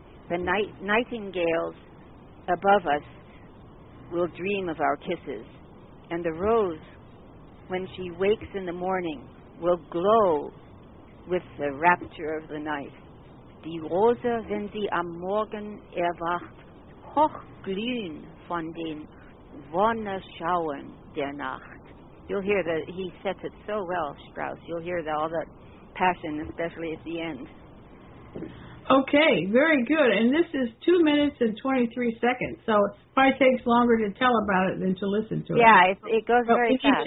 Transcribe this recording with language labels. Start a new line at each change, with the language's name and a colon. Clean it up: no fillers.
English: The nightingales above us will dream of our kisses, and the rose, when she wakes in the morning, will glow with the rapture of the night.
German: Die Rose, wenn sie am Morgen erwacht, hochglühen von den Wonneschauen der Nacht.
English: You'll hear that he sets it so well, Strauss. You'll hear all that passion, especially at the end. Okay, very good. And this is 2:23, so it probably takes longer to tell about it than to listen to it. Yeah, it goes so very fast.